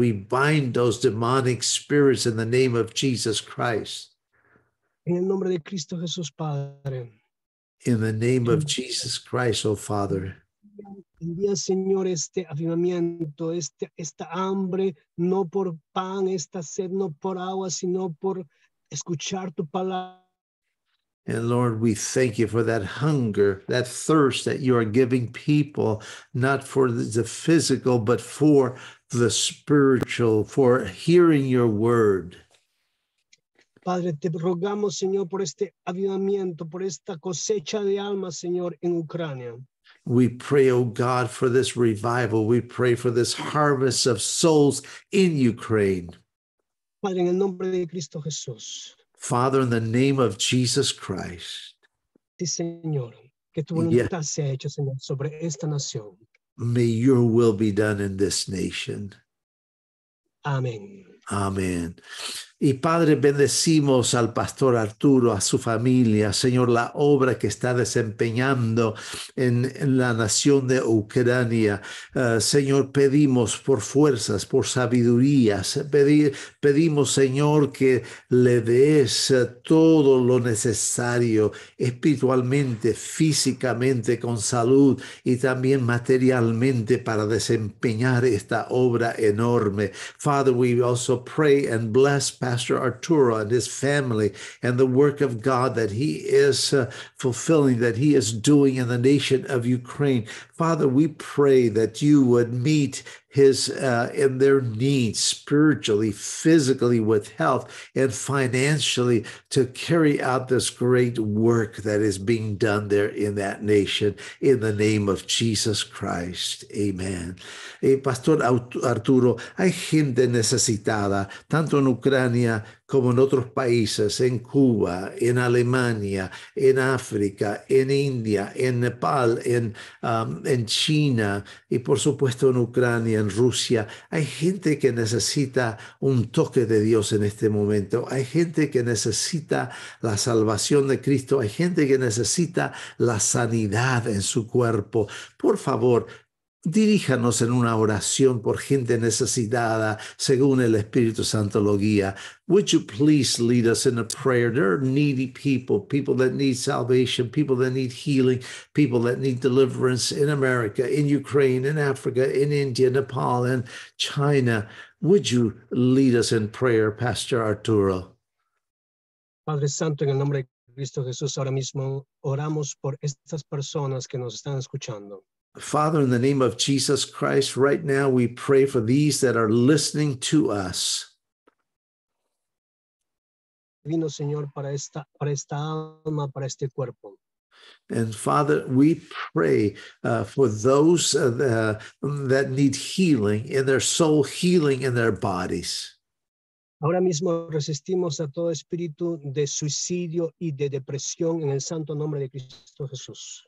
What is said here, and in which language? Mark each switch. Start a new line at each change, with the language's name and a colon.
English: We bind those demonic spirits in the name of Jesus Christ.
Spanish: En el nombre de Cristo Jesús, Padre.
English: In the name of Jesus Christ, oh Father.
Spanish: Envía, Señor, este avivamiento, esta hambre, no por pan, esta sed, no por agua, sino por escuchar tu palabra.
English: And Lord, we thank you for that hunger, that thirst that you are giving people, not for the physical, but for the spiritual, for hearing your word.
Spanish: Padre, te rogamos, Señor, por este avivamiento, por esta cosecha de almas, Señor, en Ucrania.
English: We pray, oh God, for this revival. We pray for this harvest of souls in Ukraine.
Spanish: Padre, en el nombre de Cristo Jesús.
English: Father, in the name of Jesus Christ.
Spanish: Sí, Señor, que tu voluntad sea hecha, Señor, sobre esta nación.
English: May your will be done in this nation.
Spanish: Amén. Amén. Y Padre, bendecimos al Pastor Arturo, a su familia, Señor, la obra que está desempeñando en la nación de Ucrania. Señor, pedimos por fuerzas, por sabiduría. Pedimos, Señor, que le des todo lo necesario espiritualmente, físicamente, con salud y también materialmente para desempeñar esta obra enorme.
English: Father, we also pray and bless Pastor Arturo and his family and the work of God that he is fulfilling, that he is doing in the nation of Ukraine. Father, we pray that you would meet his and their needs spiritually, physically, with health, and financially to carry out this great work that is being done there in that nation, in the name of Jesus Christ. Amen.
Spanish: Pastor Arturo, hay gente necesitada, tanto en Ucrania como en otros países, en Cuba, en Alemania, en África, en India, en Nepal, en China, y por supuesto en Ucrania, en Rusia. Hay gente que necesita un toque de Dios en este momento. Hay gente que necesita la salvación de Cristo. Hay gente que necesita la sanidad en su cuerpo. Por favor, diríjanos en una oración por gente necesitada según el Espíritu Santo lo guía.
English: Would you please lead us in a prayer? There are needy people, people that need salvation, people that need healing, people that need deliverance in America, in Ukraine, in Africa, in India, Nepal, and China. Would you lead us in prayer, Pastor Arturo?
Spanish: Padre Santo, en el nombre de Cristo Jesús, ahora mismo oramos por estas personas que nos están escuchando.
English: Father, in the name of Jesus Christ, right now we pray for these that are listening to us.
Spanish: Divino Señor, para esta alma, para este cuerpo.
English: And Father, we pray for those that need healing in their soul, healing in their bodies.
Spanish: Ahora mismo resistimos a todo espíritu de suicidio y de depresión en el santo nombre de Cristo Jesús.